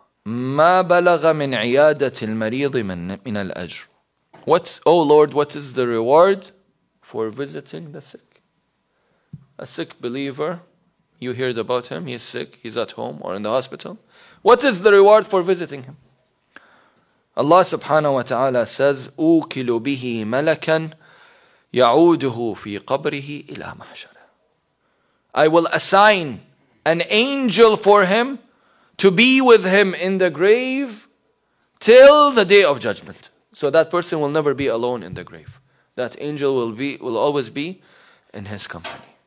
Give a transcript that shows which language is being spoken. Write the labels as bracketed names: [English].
[Arabic] مَا بَلَغَ مِنْ عِيَادَةِ الْمَرِيضِ مِنْ الْأَجْرِ. [English] What, oh Lord, what is the reward for visiting the sick? A sick believer, you heard about him, he's sick, he's at home or in the hospital. What is the reward for visiting him? Allah subhanahu wa ta'ala says, [Arabic] أُوكِلُ بِهِ مَلَكًا يَعُودُهُ فِي قَبْرِهِ إِلَى مَحْشَرَ. [English] I will assign an angel for him to be with him in the grave till the day of judgment. So that person will never be alone in the grave. That angel will always be in his company.